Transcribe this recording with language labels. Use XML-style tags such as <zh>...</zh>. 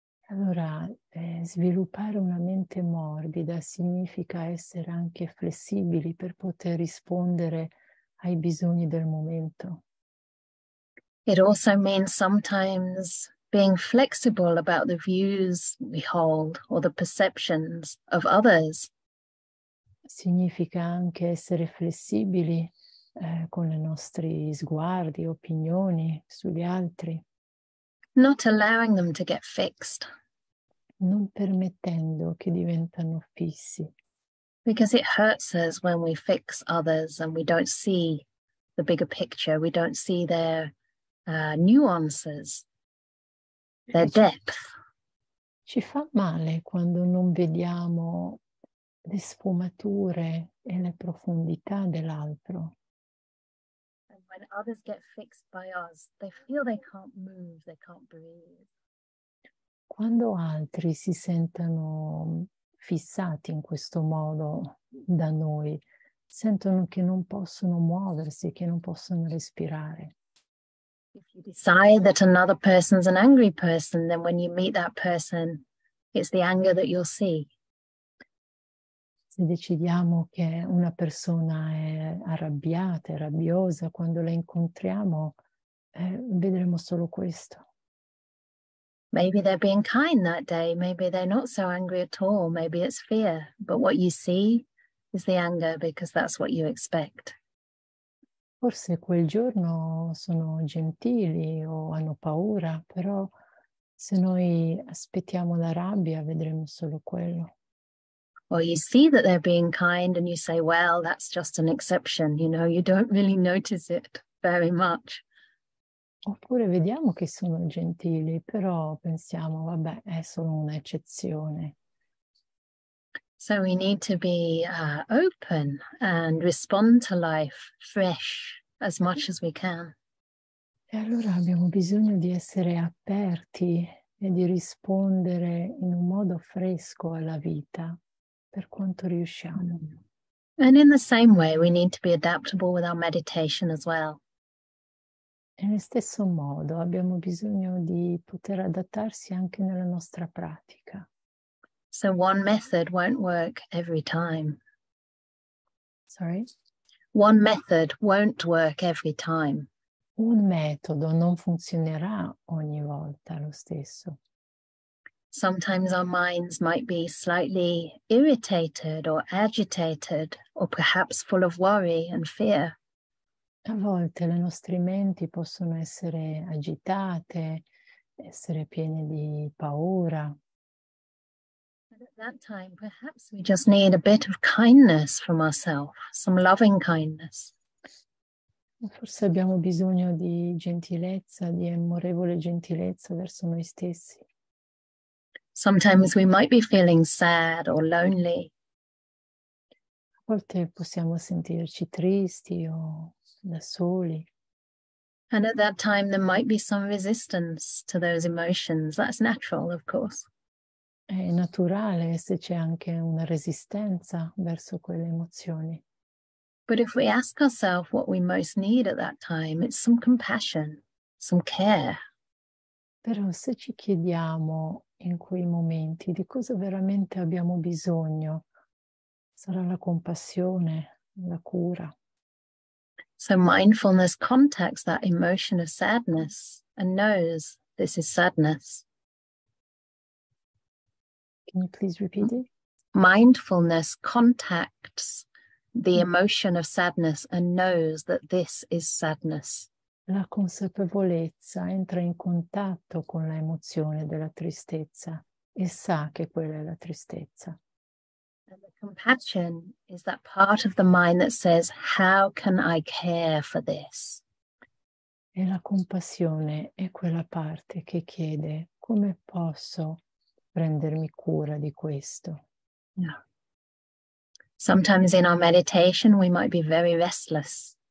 <it>Allora, sviluppare una mente morbida significa essere anche flessibili per poter rispondere ai bisogni del momento.</it> <en>It also means sometimes being flexible about the views we hold or the perceptions of others.</en> <it>Significa anche essere flessibili, con i nostri sguardi, opinioni sugli altri,</it> <en>Not allowing them to get fixed.</en> <it>non permettendo che diventano fissi.</it> <en>Because it hurts us when we fix others and we don't see the bigger picture, we don't see their nuances, their depth.</en> <it>Ci fa male quando non vediamo le sfumature e le profondità dell'altro.</it> <en>When others get fixed by us, they feel they can't move, they can't breathe.</en> <it>Quando altri si sentono fissati in questo modo da noi, sentono che non possono muoversi, che non possono respirare.</it> <en>If you decide that another person's an angry person, then when you meet that person, it's the anger that you'll see.</en> <it>Se decidiamo che una persona è arrabbiata, è rabbiosa, quando la incontriamo, Vedremo solo questo.</it> <en>Maybe they're being kind that day. Maybe they're not so angry at all. Maybe it's fear. But what you see is the anger because that's what you expect.</en> <it>Forse quel giorno sono gentili o hanno paura, però se noi aspettiamo la rabbia vedremo solo quello.</it> <en>Or you see that they're being kind and you say, well, that's just an exception, you know, you don't really notice it very much.</en> <it>Oppure vediamo che sono gentili, però pensiamo, vabbè, è solo un'eccezione.</it> <en>So we need to be open and respond to life fresh as much as we can.</en> <it>E allora abbiamo bisogno di essere aperti e di rispondere in un modo fresco alla vita per quanto riusciamo.</it> <en>And in the same way we need to be adaptable with our meditation as well.</en> <it>E nello stesso modo abbiamo bisogno di poter adattarsi anche nella nostra pratica.</it> <en>So one method won't work every time. Sorry? One method won't work every time.</en> <it>Un metodo non funzionerà ogni volta lo stesso.</it> <en>Sometimes our minds might be slightly irritated or agitated or perhaps full of worry and fear.</en> <it>A volte le nostre menti possono essere agitate, essere piene di paura.</it> <en>At that time, perhaps we just need a bit of kindness from ourselves, some loving kindness.</en> <it>Forse abbiamo bisogno di gentilezza, di amorevole gentilezza verso noi stessi.</it> <en>Sometimes we might be feeling sad or lonely.</en> <it>A volte possiamo sentirci tristi o da soli.</it> <en>And at that time, there might be some resistance to those emotions. That's natural, of course.</en> <it>È naturale se c'è anche una resistenza verso quelle emozioni.</it> <en>But if we ask ourselves what we most need at that time, it's some compassion, some care.</en> <it>Però se ci chiediamo in quei momenti di cosa veramente abbiamo bisogno, sarà la compassione, la cura.</it> <en>So mindfulness contacts that emotion of sadness and knows this is sadness. Can you please repeat it? Mindfulness contacts the emotion of sadness and knows that this is sadness.</en> <it>La consapevolezza entra in contatto con l'emozione della tristezza e sa che quella è la tristezza.</it> <en>And the compassion is that part of the mind that says, how can I care for this?</en> <it>E la compassione è quella parte che chiede, come posso prendermi cura di questo.</it> <en>No. Sometimes in our meditation we might be very restless.</en>